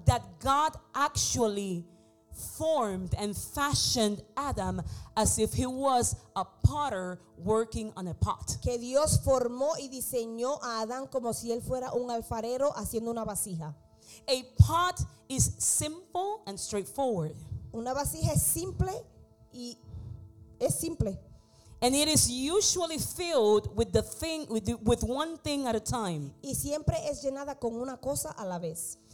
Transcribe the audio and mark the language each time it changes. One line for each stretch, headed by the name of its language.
English: that God actually formed and fashioned Adam as if he was a potter working on a pot.
Spanish: Que Dios formó y diseñó a Adán como si él fuera un alfarero haciendo una vasija.
English: A pot is simple and straightforward.
Spanish: Una vasija es simple y es simple.
English: And it is usually filled with the thing with one thing at a time.
Spanish: Y siempre es llenada con una cosa a la vez.